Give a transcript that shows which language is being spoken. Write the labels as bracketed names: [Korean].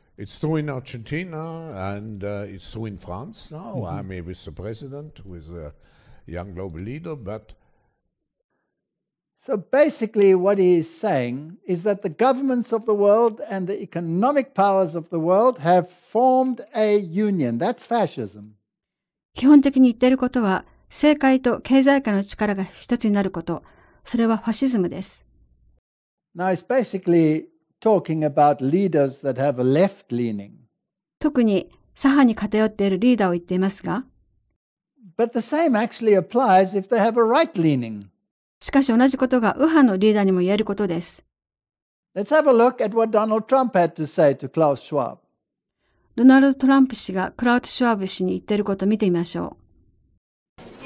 [English] It's true in Argentina and it's true in France now. Mm-hmm. I mean, with the president, with a young global leader, but... So basically what he is saying is that the governments of the world and the economic powers of the world have formed a union. That's fascism. [Japanese] 基本的に言っていることは、政界と経済界の力が一つになること。それはファシズムです。 [English] Now it's basically talking about leaders that have a left leaning. [Japanese] 特に左派に偏っているリーダーを言っていますが。 [English] But the same actually applies if they have a right leaning. [Japanese] しかし同じことが右派のリーダーにも言えることです。 [English] Let's have a look at what Donald Trump had to say to Klaus Schwab. [Japanese] ドナルド・トランプ氏がクラウト・シュワブ氏に言っていることを見てみましょう。